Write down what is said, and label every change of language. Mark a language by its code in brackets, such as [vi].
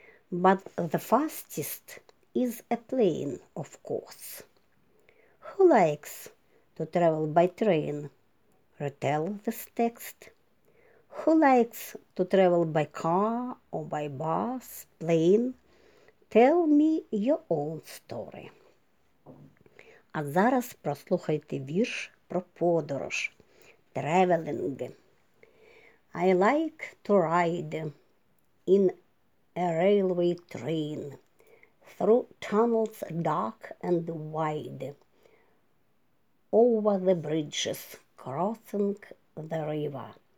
[en] But the fastest is a plane, of course. Who likes to travel by train? Retell this text. Who likes to travel by car or by bus, plane? Tell me your own story. [uk] А зараз прослухайте вірш про подорож. [en] Traveling. I like to ride in a railway train through tunnels dark and wide, over the bridges, crossing the river.